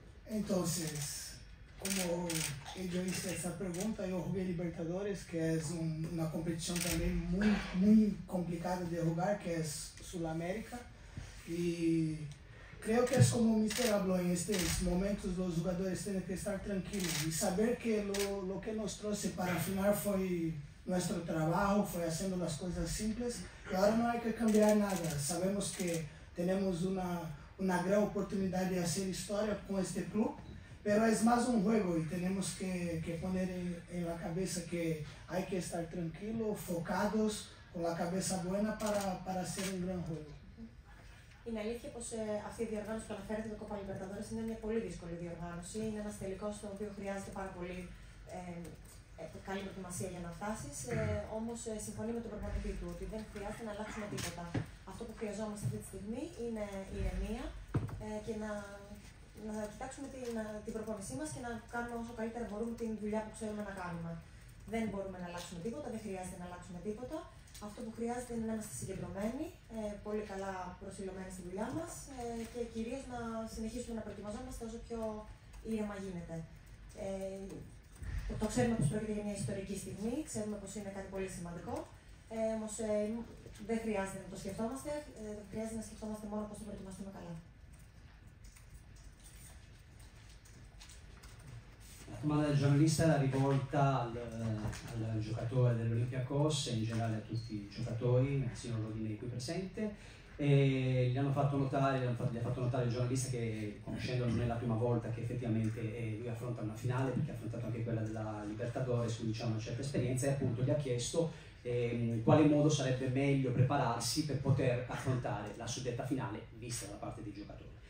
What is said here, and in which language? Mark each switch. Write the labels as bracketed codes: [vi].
[pt] Então, como eu disse essa pergunta, eu joguei Libertadores, que é uma competição também muito complicada de jogar, que é Sul-América. [es] E creo que es como Mr. habló en estos momentos, los jugadores tienen que estar tranquilos y saber que lo que nos trajo para final fue nuestro trabajo, fue haciendo las cosas simples. Y ahora no hay que cambiar nada. Sabemos que tenemos una gran oportunidad de hacer historia con este club, pero es más un juego y tenemos que poner en la cabeza que hay que estar tranquilos, focados, con la cabeza buena para hacer un gran juego. [el] Είναι αλήθεια πως αυτή η διοργάνωση που αναφέρεται με Copa Libertadores είναι μια πολύ δύσκολη διοργάνωση. Είναι ένας τελικός στο οποίο χρειάζεται πάρα πολύ καλή προετοιμασία για να φτάσεις, όμως συμφωνεί με τον προπονητή του ότι δεν χρειάζεται να αλλάξουμε τίποτα. Αυτό που χρειαζόμαστε αυτή τη στιγμή είναι ηρεμία και να κοιτάξουμε την προπονησή μας και να κάνουμε όσο καλύτερα μπορούμε την δουλειά που ξέρουμε να κάνουμε. Δεν μπορούμε να αλλάξουμε τίποτα, δεν χρειάζεται να αλλάξουμε τίποτα. Αυτό που χρειάζεται είναι να είμαστε συγκεντρωμένοι, πολύ καλά προσιλωμένοι στη δουλειά μας και κυρίως να συνεχίσουμε να προετοιμαζόμαστε όσο πιο ήρεμα γίνεται. Το ξέρουμε πως πρόκειται για μια ιστορική στιγμή, ξέρουμε πως είναι κάτι πολύ σημαντικό, όμως δεν χρειάζεται να το σκεφτόμαστε, χρειάζεται να σκεφτόμαστε μόνο πως θα προετοιμαστούμε καλά. [it] La domanda del giornalista era rivolta al giocatore dell'Olympiakos e in generale a tutti i giocatori, sia l'ordine qui presente. E gli ha fatto notare il giornalista che, conoscendolo, non è la prima volta che effettivamente lui affronta una finale, perché ha affrontato anche quella della Libertadores, quindi ha una certa esperienza, e appunto gli ha chiesto in quale modo sarebbe meglio prepararsi per poter affrontare la suddetta finale vista da parte dei giocatori.